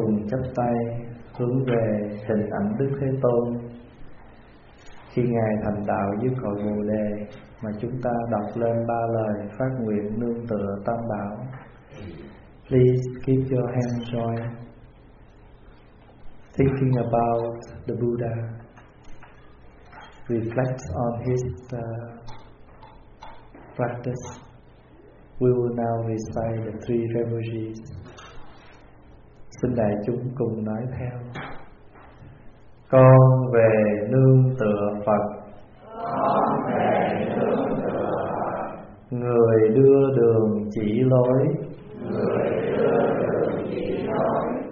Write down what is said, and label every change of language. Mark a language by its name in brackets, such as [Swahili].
[Vietnamese] Chắp tay hướng về hình ảnh Đức Thế Tôn khi Ngài thành đạo dưới cội Bồ Đề, mà chúng ta đọc lên ba lời phát nguyện nương tựa Tam Bảo. [English] Please keep your hand joined, thinking about the Buddha, reflect on his practice. We will now recite the three refugees. [Vietnamese] Xin đại chúng cùng nói theo. Con về nương tựa Phật. Con về nương tựa Phật. Người đưa đường chỉ lối. Người đưa đường chỉ lối.